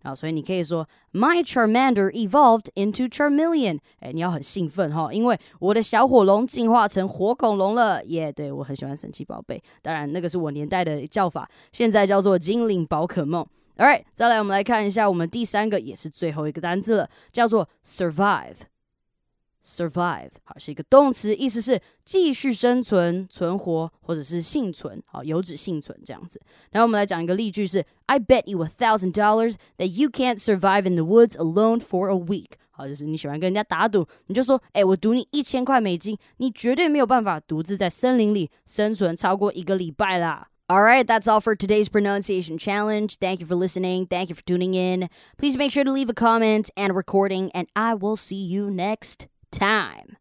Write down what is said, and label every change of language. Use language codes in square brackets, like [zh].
[zh] 所以你可以说 [en] My Charmander evolved into Charmeleon、 [zh] 欸、你要很兴奋、哦、因为我的小火龙进化成火恐龙了耶、yeah, 对，我很喜欢神奇宝贝，当然那个是我年代的叫法，现在叫做精灵宝可梦。 Alright， 再来我们来看一下我们第三个也是最后一个单字了，叫做 survive。 Survive 好是一个动词，意思是继续生存、存活或者是幸存，好，有指幸存这样子。那我们来讲一个例句是 [en] I bet you $1,000 that you can't survive in the woods alone for a week。 [zh] 好，就是你喜欢跟人家打赌，你就说，哎，我赌你$1,000，你绝对没有办法独自在森林里生存超过一个礼拜啦。 [en] Alright, that's all for today's pronunciation challenge. Thank you for listening. Thank you for tuning in. Please make sure to leave a comment and a recording, and I will see you next time.